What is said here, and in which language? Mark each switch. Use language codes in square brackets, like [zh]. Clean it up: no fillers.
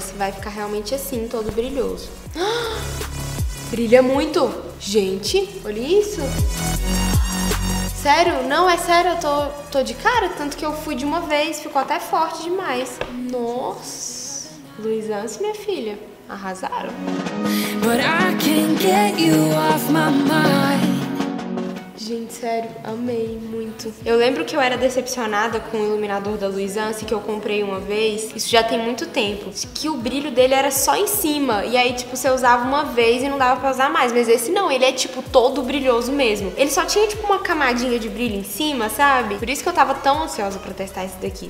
[pt] Se vai ficar realmente assim, todo brilhoso. Brilha muito! Gente, olha isso! Sério? Não, é sério, eu tô de cara. Tanto que eu fui de uma vez, ficou até forte demais. Nossa! Luiz Anse, minha filha. Arrasaram. [en] But I can't get you off my mind. [pt] Gente, sério, amei muito. Eu lembro que eu era decepcionada com o iluminador da Louis Anse que eu comprei uma vez. Isso já tem muito tempo. Que o brilho dele era só em cima. E aí, tipo, você usava uma vez e não dava pra usar mais. Mas esse não, ele é, tipo, todo brilhoso mesmo. Ele só tinha, tipo, uma camadinha de brilho em cima, sabe? Por isso que eu tava tão ansiosa pra testar esse daqui.